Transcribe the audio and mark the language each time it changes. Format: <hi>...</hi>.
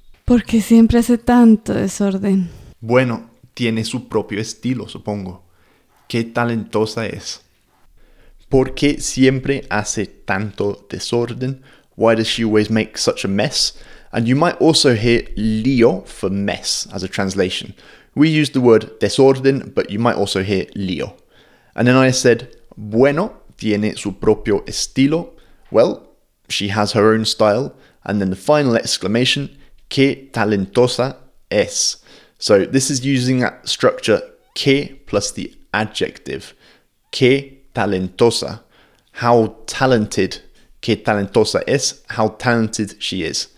<es>¿Por qué siempre hace tanto desorden? Bueno, tiene su propio estilo, supongo. ¿Qué talentosa es? ¿Por qué siempre hace tanto desorden?</es> <en>Why does she always make such a mess? And you might also hear lío for mess as a translation. We use the word desorden, but you might also hear lío. And then I said,</en> <es>bueno, tiene su propio estilo.</es> <en>Well, she has her own style. And then the final exclamation,</en> <es>qué talentosa es.</es> <en>So this is using that structure, qué plus the adjective.</en> <es>Qué talentosa.</es> <en>How talented,</en> <es>qué talentosa es,</es> <en>how talented she is.</en>